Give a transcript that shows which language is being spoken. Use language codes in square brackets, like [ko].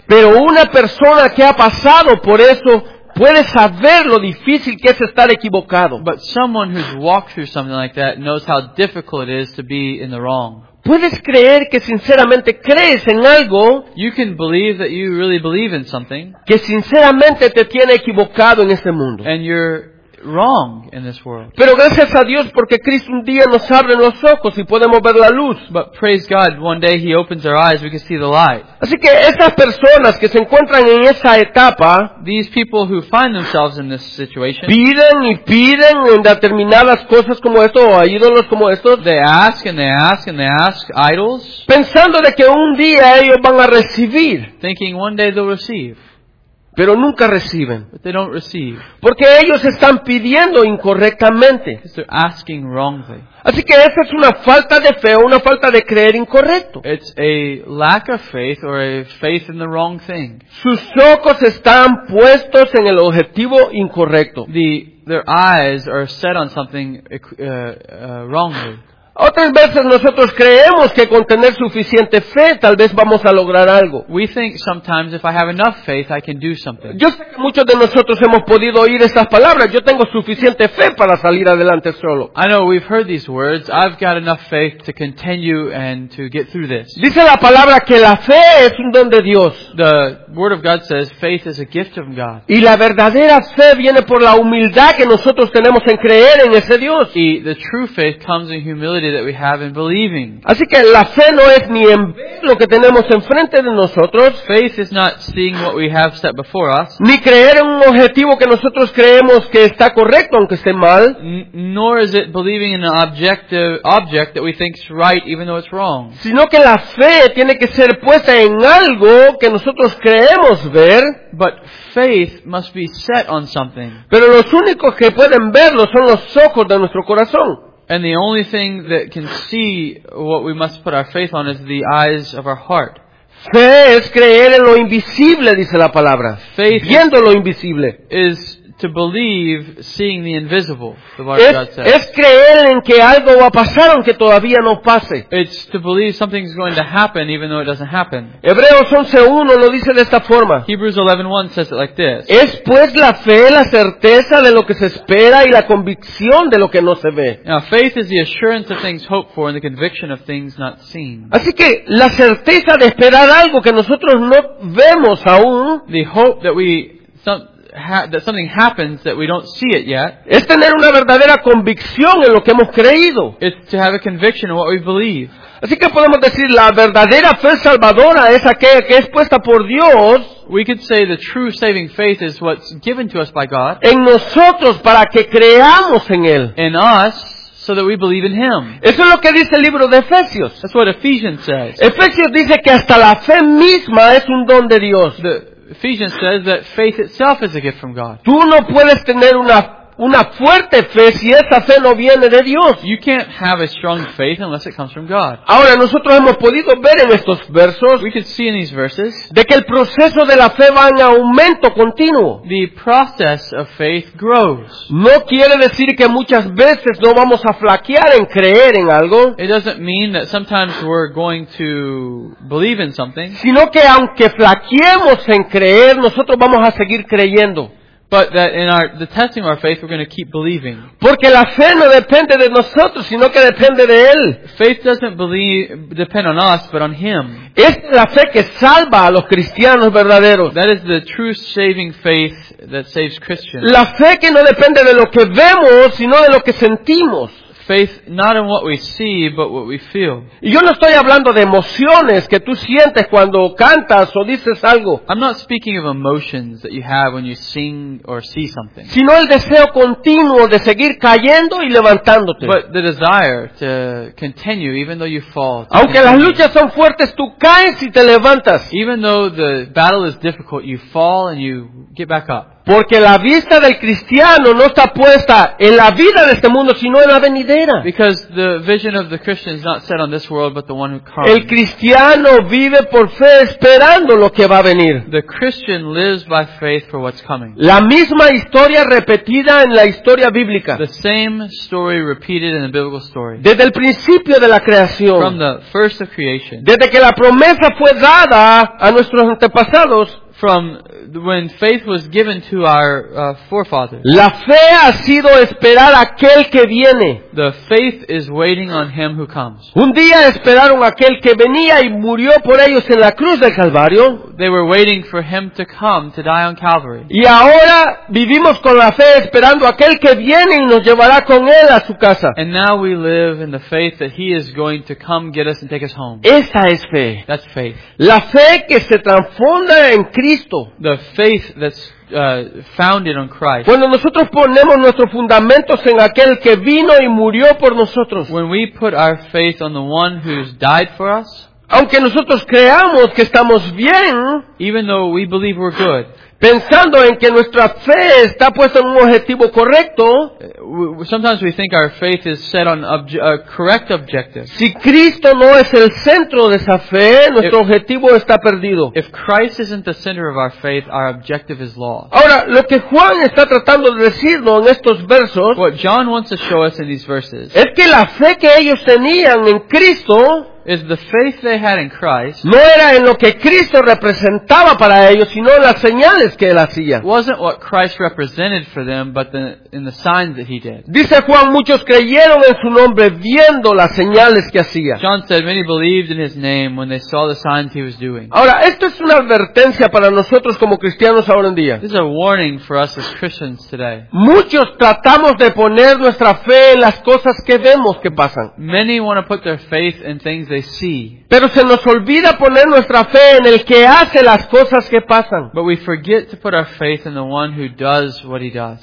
[es] Pero una persona que ha pasado por eso puede saber lo difícil que es estar equivocado. [en] But someone who's walked through something like that knows how difficult it is to be in the wrong. [es] Puedes creer que sinceramente crees en algo. [en] You can believe that you really believe in something. [es] Que sinceramente te tiene equivocado en este mundo. [en] And you're wrong in this world. [es] Pero gracias a Dios porque Cristo un día nos abre los ojos y podemos ver la luz. [en] But praise God, one day He opens our eyes, we can see the light. [es] Así que estas personas que se encuentran en esa etapa, [en] these people who find themselves in this situation, [es] piden y piden en determinadas cosas como esto o ídolos como estos, [en] they ask and they ask and they ask idols, [es] pensando de que un día ellos van a recibir, [en] thinking one day they'll receive. [es] Pero nunca reciben. [en] But they don't receive. [es] Porque ellos están pidiendo incorrectamente. [en] Because they're asking wrongly. [es] Así que esa es una falta de fe o una falta de creer incorrecto. [en] It's a lack of faith or a faith in the wrong thing. [es] Sus ojos están puestos en el objetivo incorrecto. [en] Their eyes are set on something wrongly. [es] Otras veces nosotros creemos que con tener suficiente fe tal vez vamos a lograr algo. [en] We think sometimes if I have enough faith I can do something. [es] Yo sé que muchos de nosotros hemos podido oír esas palabras. Yo tengo suficiente fe para salir adelante solo. [en] I know we've heard these words. I've got enough faith to continue and to get through this. [es] Dice la palabra que la fe es un don de Dios. [en] The word of God says faith is a gift from God. [es] Y la verdadera fe viene por la humildad que nosotros tenemos en creer en ese Dios. [en] Y the true faith comes in humility that we have in believing. [es] Así que la fe no es ni en lo que tenemos enfrente de nosotros. [en] Faith is not seeing what we have set before us. [es] Ni creer en un objetivo que nosotros creemos que está correcto aunque esté mal. [en] Nor is it believing in an objective object that we think is right even though it's wrong. [es] Sino que la fe tiene que ser puesta en algo que nosotros creemos ver. [en] But faith must be set on something. [es] Pero los únicos que pueden verlo son los ojos de nuestro corazón. [en] And the only thing that can see what we must put our faith on is the eyes of our heart. [es] Fe es creer en lo invisible, dice la palabra. [en] Faith [es] viendo lo invisible. [en] Is to believe seeing the invisible, the word [es] es, [en] of God says. [es] Es creer en que algo va a pasar aunque todavía no pase. [en] It's to believe something's going to happen even though it doesn't happen. [es] Hebreos 11:1 lo dice de esta forma. [en] Hebrews 11:1 says it like this. [es] Es pues la fe la certeza de lo que se espera y la convicción de lo que no se ve. [en] Now faith is the assurance of things hoped for and the conviction of things not seen. [es] Así que la certeza de esperar algo que nosotros no vemos aún. [en] The hope that we that something happens that we don't see it yet. [es] Es tener una verdadera convicción en lo que hemos creído. [en] It's to have a conviction in what we believe. [es] Así que podemos decir la verdadera fe salvadora es aquella que es puesta por Dios. [en] We could say the true saving faith is what's given to us by God. [es] En nosotros para que creamos en él. [en] In us so that we believe in him. [es] Eso es lo que dice el libro de Efesios. [en] That's what Ephesians says. [es] Efesios dice que hasta la fe misma es un don de Dios. [en] Ephesians says that faith itself is a gift from God. [es] Tú no puedes tener una fuerte fe si esa fe no viene de Dios. [en] You can't have a strong faith unless it comes from God. [es] Ahora nosotros hemos podido ver en estos versos, [en] we could see in these verses, [es] de que el proceso de la fe va en aumento continuo. [en] The process of faith grows. [es] No quiere decir que muchas veces no vamos a flaquear en creer en algo. [en] It doesn't mean that sometimes we're going to believe in something. [es] Sino que aunque flaqueemos en creer, nosotros vamos a seguir creyendo. [en] But that in the testing of our faith, we're going to keep believing. [es] Porque la fe no depende de nosotros, sino que depende de él. [en] Faith doesn't depend on us, but on him. [es] Es la fe que salva a los cristianos verdaderos. [en] That is the true saving faith that saves Christians. [es] La fe que no depende de lo que vemos, sino de lo que sentimos. [en] Faith not in what we see, but what we feel. [es] Y yo no estoy hablando de emociones que tú sientes cuando cantas o dices algo. [en] I'm not speaking of emotions that you have when you sing or see something. [es] Sino el deseo continuo de seguir cayendo y levantándote. [en] But the desire to continue even though you fall. [es] Aunque las luchas son fuertes, tú caes y te levantas. [en] Even though the battle is difficult, you fall and you get back up. [es] Porque la vista del cristiano no está puesta en la vida de este mundo, sino en la venidera. [en] Because the vision of the Christian is not set on this world, but the one who comes. [es] El cristiano vive por fe esperando lo que va a venir. [en] The Christian lives by faith for what's coming. [es] La misma historia repetida en la historia bíblica. [en] The same story repeated in the biblical story. [es] Desde el principio de la creación. [en] From the first of creation. [es] Desde que la promesa fue dada a nuestros antepasados. [en] From when faith was given to our forefathers. [es] La fe ha sido esperar a aquel que viene. [en] The faith is waiting on him who comes. [es] Un día esperaron a aquel que venía y murió por ellos en la cruz del Calvario. [en] They were waiting for him to come to die on Calvary. [es] Y ahora vivimos con la fe esperando a aquel que viene y nos llevará con él a su casa. [en] And now we live in the faith that he is going to come get us and take us home. [es] Esa es fe. [en] That's faith. [es] La fe que se transforma en Cristo. [en] The faith that's founded on Christ. [es] Cuando nosotros ponemos nuestros fundamentos en aquel que vino y murió por nosotros. [en] When we put our faith on the one who's died for us. [es] Aunque nosotros creamos que estamos bien, [en] even though we believe we're good, [es] pensando en que nuestra fe está puesta en un objetivo correcto, [en] sometimes we think our faith is set on a correct objective. [es] Si Cristo no es el centro de esa fe, nuestro objetivo está perdido. [en] If Christ isn't the center of our faith, our objective is lost. [es] Ahora, lo que Juan está tratando de decirnos en estos versos, [en] what John wants to show us in these verses, [es] es que la fe que ellos tenían en Cristo [en] is the faith they had in Christ. [es] No era en lo que Cristo representaba para ellos, sino las señales que él hacía. [en] Wasn't what Christ represented for them, but in the signs that he did. [es] Dice Juan, muchos creyeron en su nombre viendo las señales que hacía. [en] John said many believed in his name when they saw the signs he was doing. [es] Ahora, esto es una advertencia para nosotros como cristianos ahora en día. [en] This is a warning for us as Christians today. [es] Muchos tratamos de poner nuestra fe en las cosas que vemos que pasan. [en] Many want to put their faith in things they see. [es] Pero se nos olvida poner nuestra fe en el que hace las cosas que pasan. [en] But we forget to put our faith in the one who does what he does.